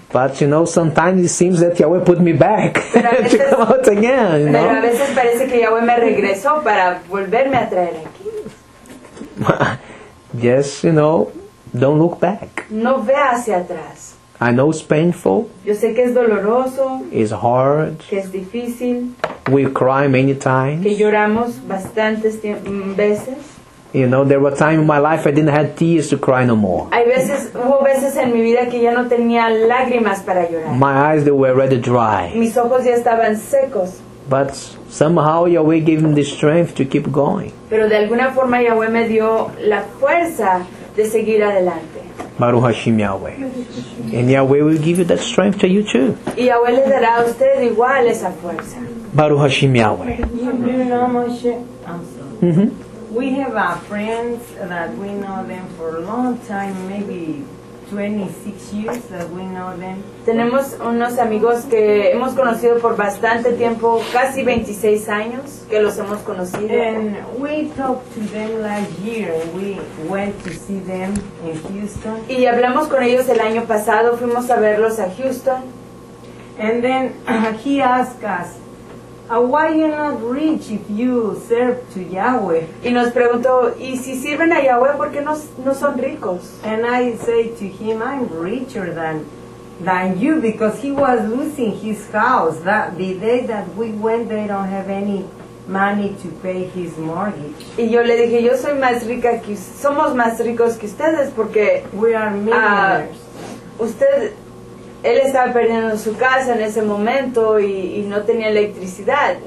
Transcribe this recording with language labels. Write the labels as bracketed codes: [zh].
[en] But you know, sometimes it seems that Yahweh put me back [es] pero veces, [en] to come out again. You [es] pero [en] know? [es] A veces parece que Yahweh me regresó para volverme a traer aquí. [en] Yes, you know, don't look back. [es] No vea hacia atrás. [en] I know it's painful. [es] Yo sé que es doloroso. [en] It's hard. [es] Que es difícil. [en] We cry many times. [es] Que lloramos bastantes veces. [en] You know, there were times in my life I didn't have tears to cry no more. [es] Hay veces, hubo veces en mi vida que ya no tenía lágrimas para llorar. [en] My eyes, they were already dry. [es] Mis ojos ya estaban secos. [en] But somehow Yahweh gave me the strength to keep going. [es] Pero de alguna forma Yahweh me dio la fuerza de seguir adelante. [he] Baruch Hashem Yahweh. [en] And Yahweh will give you that strength to you too. [es] Y Yahweh le dará a usted igual esa fuerza. [he] Baruch Hashem Yahweh. [en] You know, Moshe, we have our friends that we know them for a long time, maybe 26 years that we know them. [es] Tenemos unos amigos que hemos conocido por bastante tiempo, casi 26 años que los hemos conocido. [en] And we talked to them last year. We went to see them in Houston. [es] Y hablamos con ellos el año pasado. Fuimos a verlos a Houston. [en] And then he asked us, Why you not rich if you serve to Yahweh? [es] Y nos preguntó, ¿y si sirven a Yahweh, por qué no son ricos? [en] And I say to him, I'm richer than you, because he was losing his house that the day that we went. They don't have any money to pay his mortgage. [es] Y yo le dije, yo soy más rica que somos más ricos que ustedes porque [en] we are millionaires. [es] Él estaba perdiendo su casa en ese momento y no tenía electricidad.